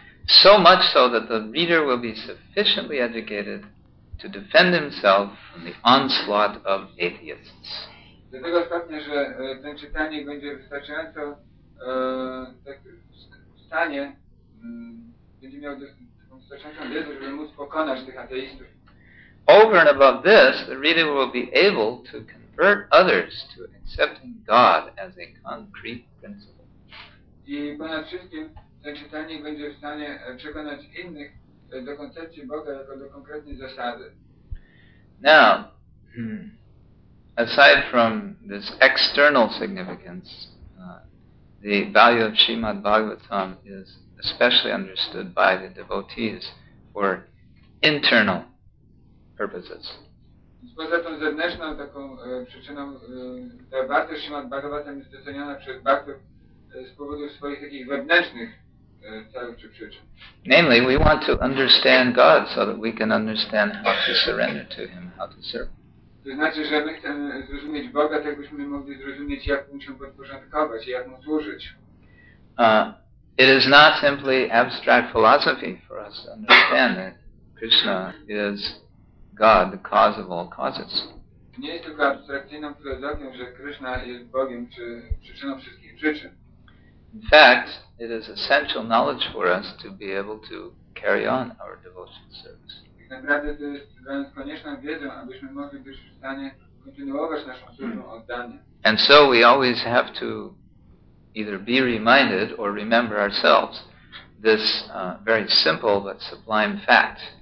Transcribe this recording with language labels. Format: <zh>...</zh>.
<en>So much so that the reader will be sufficiently educated to defend himself from the onslaught of atheists.</en> <pl>Dlatego stopnia, że ten czytanie będzie wystarczająco tak w stanie, będzie miał wystarczającą wiedzę, żeby móc pokonać tych ateistów.</pl> <en>Over and above this, the reader will be able to convert others to accepting God as a concrete principle.</en> <pl>I ponad wszystkim ten czytanie będzie w stanie przekonać innych do koncepcji Boga jako do konkretnej zasady.</pl> <en>Now, aside from this external significance, the value of Srimad Bhagavatam is especially understood by the devotees for internal purposes.</en> <pl>Poza tą zewnętrzną taką przyczyną, ta wartość Srimad Bhagavatam jest doceniona przez bhaktów z powodu swoich takich wewnętrznych celów czy przyczyn.</pl> <en>Namely, we want to understand God so that we can understand how to surrender to Him, how to serve.</en> <pl>To znaczy, że my chcemy zrozumieć Boga, tak byśmy mogli zrozumieć, jak mu się podporządkować i jak mu służyć.</pl> <en>It is not simply abstract philosophy for us to understand that Krishna is God, the cause of all causes.</en> <pl>Nie jest tylko abstrakcyjną filozofią, że Krishna jest Bogiem czy przyczyną wszystkich przyczyn.</pl> <en>In fact, it is essential knowledge for us to be able to carry on our devotional service.</en> <pl>Naprawdę to jest dla nas konieczną wiedzą, abyśmy mogli być w stanie kontynuować naszą służbę oddania.</pl> <en>And so we always have to either be reminded or remember ourselves this very simple but sublime fact.</en>